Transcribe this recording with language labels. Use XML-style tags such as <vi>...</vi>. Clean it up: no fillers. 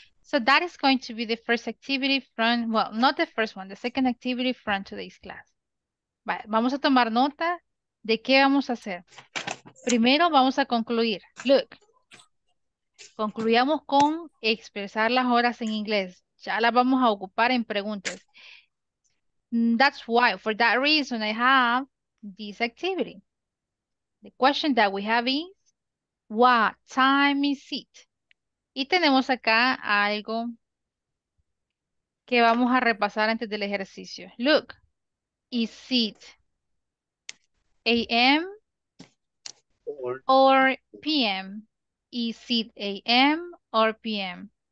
<en>So that is going to be the first activity from, well, not the first one, the second activity from today's class.</en> <es>Vale, vamos a tomar nota de qué vamos a hacer. Primero vamos a concluir. Look, concluyamos con expresar las horas en inglés. Ya las vamos a ocupar en preguntas.</es> <en>That's why, for that reason, I have this activity. The question that we have is, what time is it?</en> <es>Y tenemos acá algo que vamos a repasar antes del ejercicio.</es> <en>Look, is it a.m. or p.m.? Is it a.m. or p.m.?</en>